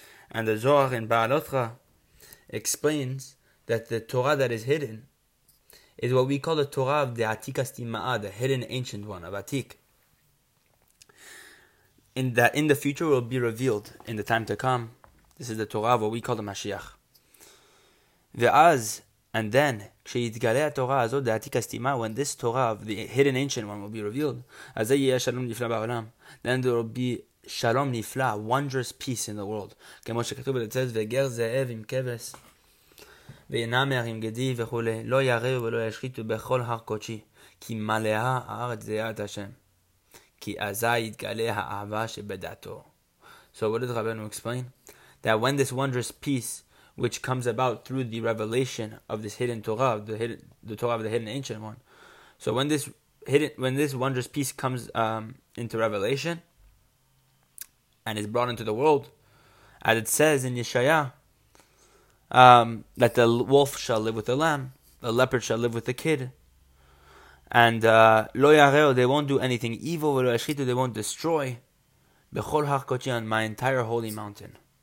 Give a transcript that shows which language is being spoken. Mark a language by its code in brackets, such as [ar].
[en] And the Zohar in Ba'alotra explains that the Torah that is hidden is what we call the Torah of the Atika Stima'a, the hidden ancient one of Atik. In that, in the future, will be revealed in the time to come. This is the Torah of what we call the Mashiach. Ve'az, and then, [he] כשיתגלה התורה הזאת, [en] the Atika Stima'a, when this Torah of the hidden ancient one will be revealed, [he] אז זה יהיה שלום נפלא בעולם. [en] Then there will be shalom nifla, wondrous peace in the world. [he] כמו שכתוב בתצ"ס, וגר זאב עם כבש. וינאמר עם גדי וכולי, לא יריב ולא ישחיתו בכל הר קודשי, כי מלאה הארץ זיית השם, כי אזי יתגלה האהבה שבדעתו. [en] So what did Rabeinu explain? That when this wondrous peace, which comes about through the revelation of this hidden Torah, the Torah of the hidden ancient one, so when this hidden, when this wondrous peace comes into revelation, and is brought into the world, as it says in Yeshayah, that the wolf shall live with the lamb, the leopard shall live with the kid, and lo yareo, they won't do anything evil, ve'lo yashchitu, they won't destroy bechol har kodshi, on my entire holy mountain.